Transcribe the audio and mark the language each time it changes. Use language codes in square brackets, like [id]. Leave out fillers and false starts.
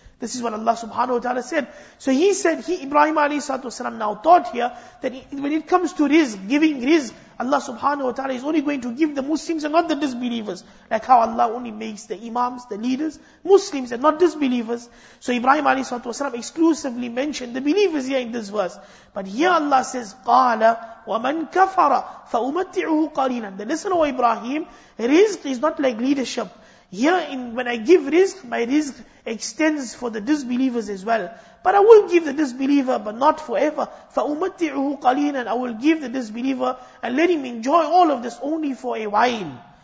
[en] This is what Allah subhanahu wa ta'ala said. So he said, he, Ibrahim alayhi salatu wasalam, now taught here that when it comes to rizq, giving rizq, Allah subhanahu wa ta'ala is only going to give the Muslims and not the disbelievers. Like how Allah only makes the imams, the leaders, Muslims and not disbelievers. So Ibrahim alayhi salatu wasalam exclusively mentioned the believers here in this verse. But here Allah says, [ar] قَالَ وَمَنْ كَفَرَ فَأُمَتِّعُهُ قَلِيلًا. [en] Then listen, O Ibrahim, rizq is not like leadership. Here, in when I give rizq, my rizq extends for the disbelievers as well. But I will give the disbeliever, but not forever. [ar] فَأُمَتِّعُهُ قَلِيلًا. [en] I will give the disbeliever and let him enjoy all of this only for a while.